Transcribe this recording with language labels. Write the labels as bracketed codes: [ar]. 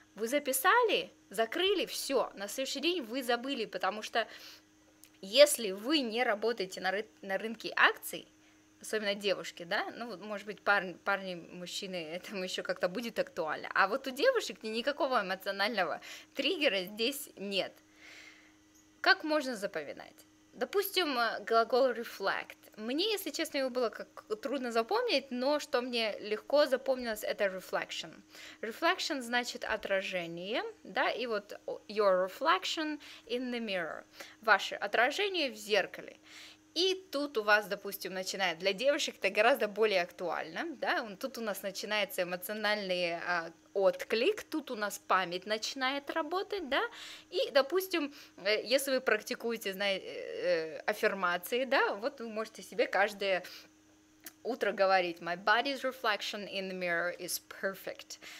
[ru] Вы записали, закрыли, все. На следующий день вы забыли, потому что если вы не работаете на рынке акций, особенно девушки, да, ну, может быть, парни, мужчины, этому еще как-то будет актуально, а вот у девушек никакого эмоционального триггера здесь нет. Как можно запоминать? Допустим, глагол reflect. Мне, если честно, его было как трудно запомнить, но что мне легко запомнилось, это reflection. Reflection значит отражение, да, и вот [en] your reflection in the mirror. [ru] Ваше отражение в зеркале. И тут у вас, допустим, начинает, для девушек это гораздо более актуально, да, тут у нас начинается эмоциональный отклик, тут у нас память начинает работать, да, и, допустим, если вы практикуете, знаете, аффирмации, да, вот вы можете себе каждое утро говорить [en] «My body's reflection in the mirror is perfect».